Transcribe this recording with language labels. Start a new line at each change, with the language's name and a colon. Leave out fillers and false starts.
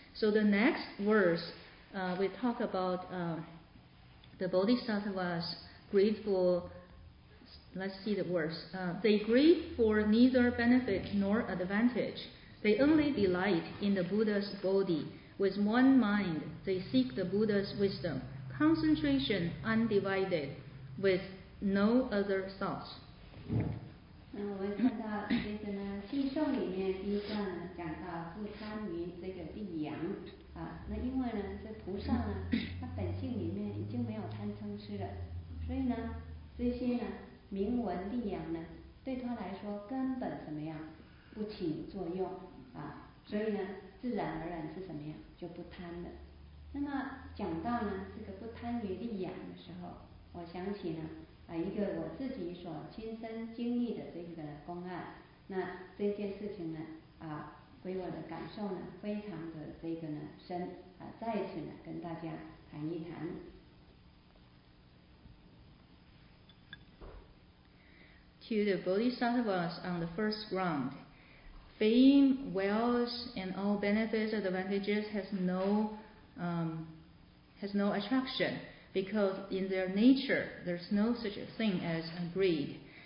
English: So the next verse, we talk about the bodhisattvas' grateful. Let's see the verse. They grieve for neither benefit nor advantage. They only delight in the Buddha's bodhi. With one mind, they seek the Buddha's wisdom, concentration undivided, with no other thoughts.
Chinese: 那我们看到这个呢，经书里面第一段呢讲到不贪于这个地阳啊，那因为呢这菩萨呢，他本性里面已经没有贪嗔痴了，所以呢这些呢名闻利养呢，对他来说根本怎么样不起作用啊，所以呢。自然而然是什么样就不贪的。那么讲到呢这个不贪于利养的时候，我想起呢一个我自己所亲身经历的这个公案，那这件事情呢给我的感受呢非常的这个呢深啊，再一次呢跟大家谈一谈。
English: To the bodhisattvas on the first groundFame, wealth, and all benefits and advantages has no attraction, because in their nature, there's no such a thing as greed.